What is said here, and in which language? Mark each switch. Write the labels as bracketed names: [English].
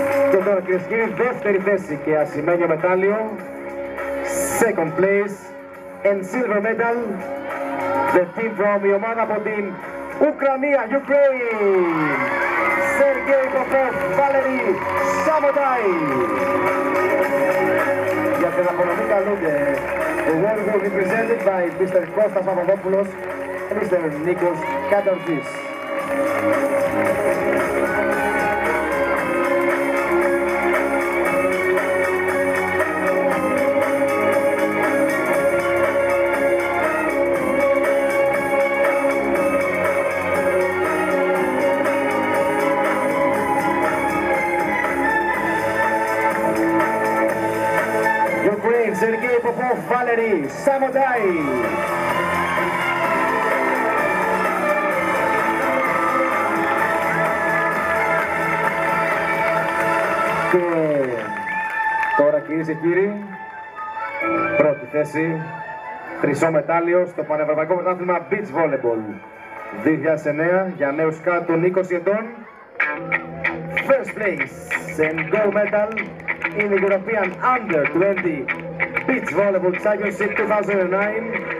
[Greek] Και τώρα κυρίες και κύριοι, δεύτερη θέση και ασημένιο μετάλλιο, [English] second place and silver medal, the team from, [Greek] η ομάδα από την Ουκρανία, Ukraine, Sergei Popov, Valery Samotai. Για την απονομή καλούνται [English] the world will be presented by Mr. Kostas Papadopoulos and Mr. Nikos Katarzis. Sergei Popov, Valery Samotai. [Greek] Και τώρα κυρίες και κύριοι, πρώτη θέση, χρυσό μετάλλιο στο Πανευρωπαϊκό Πρωτάθλημα Beach Volleyball 2009 για νέους κάτω 20 ετών. [English] First place and gold medal in the European Under 20 Beach Volleyball Championship 2009.